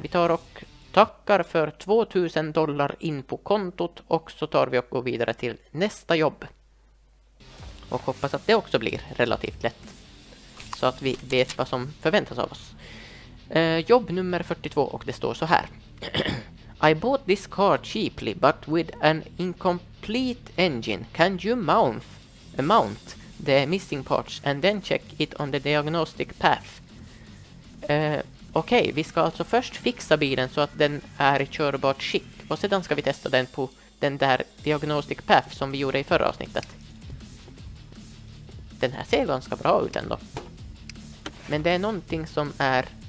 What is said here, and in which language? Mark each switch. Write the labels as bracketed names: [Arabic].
[Swedish] Vi tar och tackar för $2000 in på kontot. Och så tar vi och går vidare till nästa jobb. Och hoppas att det också blir relativt lätt. Så att vi vet vad som förväntas av oss. Jobb nummer 42 och det står så här. [English] I bought this car cheaply but with an incomplete engine. Can you mount the missing parts and then check it on the diagnostic path? [Swedish] Okej, vi ska alltså först fixa bilen så att den är i körbart skick. Och sedan ska vi testa den på den där diagnostic path som vi gjorde i förra avsnittet. Den här ser ganska bra ut ändå. Men det är någonting som är...